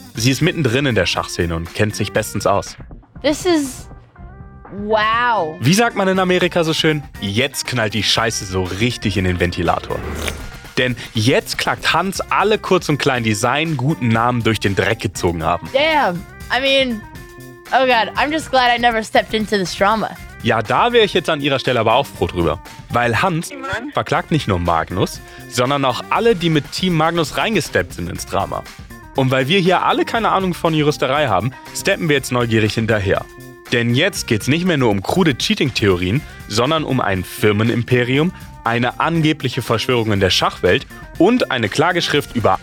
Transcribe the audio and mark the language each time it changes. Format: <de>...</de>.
<de>Sie ist mittendrin in der Schachszene und kennt sich bestens aus.</de> <en>This is... wow.</en> <de>Wie sagt man in Amerika so schön? Jetzt knallt die Scheiße so richtig in den Ventilator. Denn jetzt klagt Hans alle kurz und klein, die seinen guten Namen durch den Dreck gezogen haben.</de> <en>Damn, I mean... oh God, I'm just glad I never stepped into this drama.</en> <de>Ja, da wäre ich jetzt an Ihrer Stelle aber auch froh drüber. Weil Hans verklagt nicht nur Magnus, sondern auch alle, die mit Team Magnus reingesteppt sind ins Drama. Und weil wir hier alle keine Ahnung von Juristerei haben, steppen wir jetzt neugierig hinterher. Denn jetzt geht's nicht mehr nur um krude Cheating-Theorien, sondern um ein Firmenimperium, eine angebliche Verschwörung in der Schachwelt und eine Klageschrift über</de>